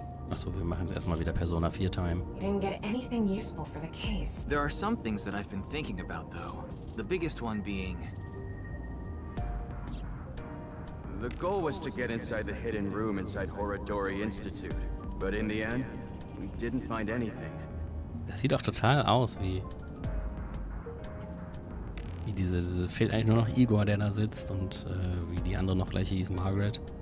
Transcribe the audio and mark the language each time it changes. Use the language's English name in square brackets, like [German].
[German] Achso, wir machen es erstmal wieder Persona 4 Time. [English] You didn't get anything useful for the case. There are some things that I've been thinking about, though. The biggest one being... The goal was to get inside the hidden room inside Horidori Institute, but in the end, we didn't find anything. [German] Das sieht doch total aus wie diese, fehlt eigentlich nur noch Igor, der da sitzt, und wie die andere noch gleich hieß, Margaret.